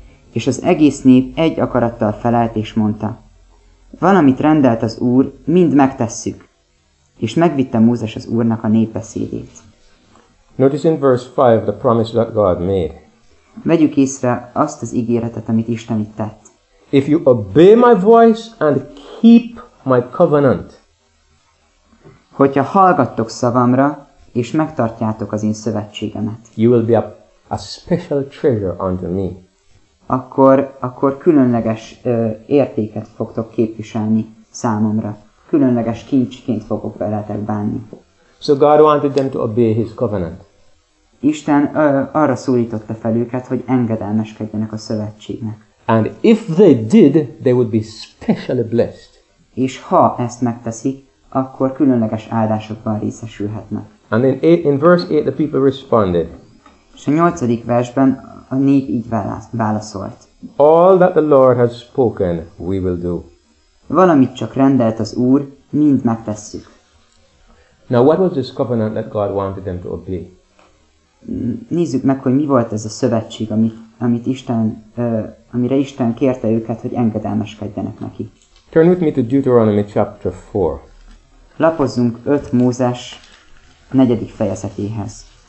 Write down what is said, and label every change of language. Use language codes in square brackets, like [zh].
[hu] És az egész nép egy akarattal felelt, és mondta, valamit rendelt az Úr, mind megtesszük. És megvitte Mózes az Úrnak a nép beszédét. [en] Notice in verse 5 the promise that God made. [hu] Vegyük észre azt az ígéretet, amit Isten itt tett. [en] If you obey my voice and keep my covenant. [hu] Hogyha hallgattok szavamra, és megtartjátok az én szövetségemet. [en] You will be a special treasure unto me. [hu] Akkor különleges értéket fogtok képviselni számomra. Különleges kincsként fogok veletek bánni. [en] So God wanted them to obey his covenant. [hu] Isten arra szólította fel őket, hogy engedelmeskedjenek a szövetségnek. [en] And if they did, they would be specially blessed. [hu] És ha ezt megteszik, akkor különleges áldásokban részesülhetnek. [en] And in verse 8 the people responded. [hu] És a 8. versben a nép így válaszolt. [en] All that the Lord has spoken, we will do. [hu] Valamit csak rendelt az Úr, mind megtesszük. [en] Now what was this covenant that God wanted them to obey? [hu] Nézzük meg, hogy mi volt ez a szövetség, amit Isten, amire Isten kérte őket, hogy engedelmeskedjenek neki. [en] Turn with me to Deuteronomy chapter 4. [hu] Lapozzunk 5 Mózes 4. fejezetéhez.